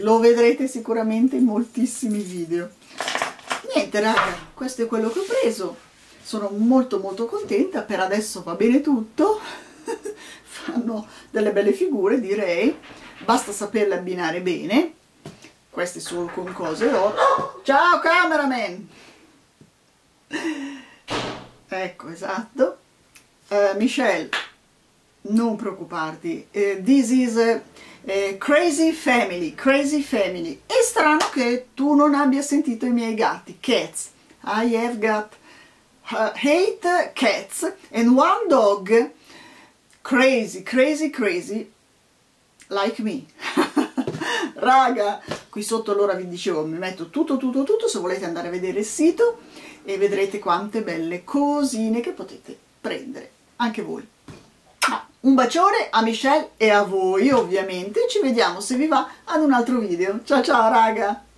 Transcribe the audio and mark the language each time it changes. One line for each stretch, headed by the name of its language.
Italian: Lo vedrete sicuramente in moltissimi video. Niente raga, questo è quello che ho preso, sono molto molto contenta, per adesso va bene tutto, fanno delle belle figure direi, basta saperle abbinare bene, queste sono con cose oro. Ciao cameraman! Ecco, esatto,
English: Michelle,
Italian: non preoccuparti,
English: this is crazy family, crazy family.
Italian: È strano che tu non abbia sentito i miei gatti, cats.
English: I have got 8 cats and one dog, crazy, crazy, crazy, like me.
Italian: Raga, qui sotto allora vi dicevo, mi metto tutto, se volete andare a vedere il sito e vedrete quante belle cosine che potete prendere anche voi. Un bacione a Michelle e a voi, ovviamente. Ci vediamo, se vi va, ad un altro video. Ciao ciao, raga!